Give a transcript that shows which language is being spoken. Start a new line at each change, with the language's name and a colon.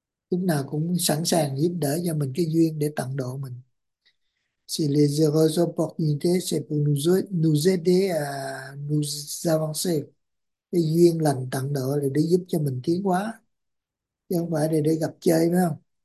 Vietnamese: Lúc nào cũng sẵn sàng giúp đỡ cho mình cái duyên để tận độ mình.
French: C'est les heureuses opportunités, c'est pour nous aider à nous avancer.
Vietnamese: Cái duyên lành tận độ là để giúp cho mình tiến hóa, chứ không phải để gặp chơi, phải không?